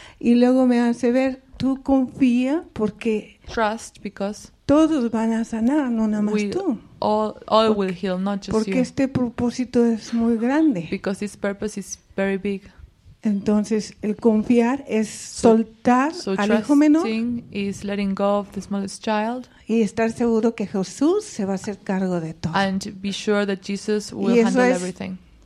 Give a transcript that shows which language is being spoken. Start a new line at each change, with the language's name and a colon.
Spanish: Y luego me hace ver, tú confía porque
English: trust because
Spanish: todos van a sanar, no nada más tú.
English: All will heal, not just
Spanish: porque
English: you.
Spanish: Este propósito es muy grande.
English: Because this purpose is very big.
Spanish: Entonces, el confiar es soltar al hijo menor.
English: Trusting is letting go of the smallest child.
Spanish: Y estar seguro que Jesús se va a hacer cargo de todo.
English: And be sure that Jesus will handle everything.